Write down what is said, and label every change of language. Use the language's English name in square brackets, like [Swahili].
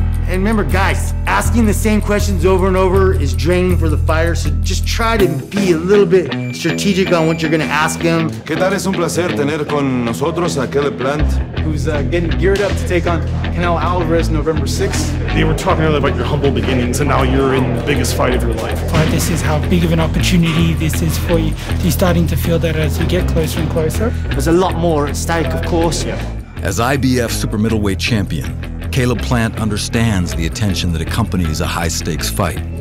[English] Remember, guys, asking the same questions over and over is draining for the fighter, so just try to be a little bit strategic on what you're gonna ask him. [Spanish] ¿Qué tal? Es un placer tener con nosotros a Caleb Plant. [English] Who's getting geared up to take on Canelo Alvarez November 6th. They were talking earlier about your humble beginnings, and now you're in the biggest fight of your life. But this is how big of an opportunity this is for you. You're starting to feel that as you get closer and closer. There's a lot more at stake, of course. Yeah. As IBF super middleweight champion, Caleb Plant understands the attention that accompanies a high-stakes fight.